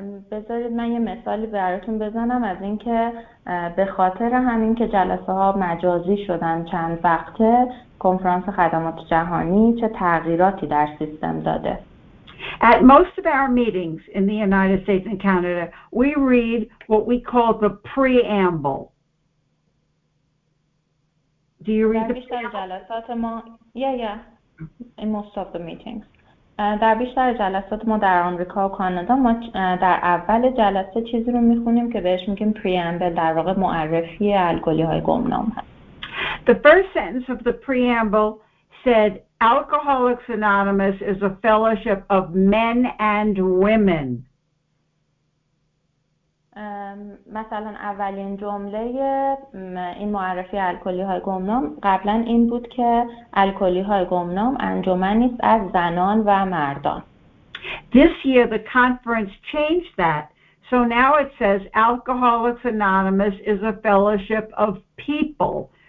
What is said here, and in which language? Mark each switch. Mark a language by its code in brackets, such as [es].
[fa] بذارید من یه مثالی براتون بزنم از اینکه به خاطر همین که جلسه ها مجازی شدن چند وقته کنفرانس خدمات جهانی چه تغییراتی در سیستم داده. [en] At most of our meetings in the United States and Canada, we read what we call the preamble. Do you read the preamble? Yeah, in most of the meetings. [fa] در بیشتر جلسات ما در آمریکا و کانادا ما در اول جلسه چیزی رو میخونیم که بهش میگیم preamble در واقع معرفی الکلی های گمنام هست. [en] The first sentence of the preamble said, Alcoholics Anonymous is a fellowship of men and women. [fa] مثلا اولین جمله این معرفی الکلی های گمنام قبلا این بود که الکلی های گمنام انجمنی است از زنان و مردان. [en] This year the conference changed that. So now it says Alcoholics Anonymous is a fellowship of people.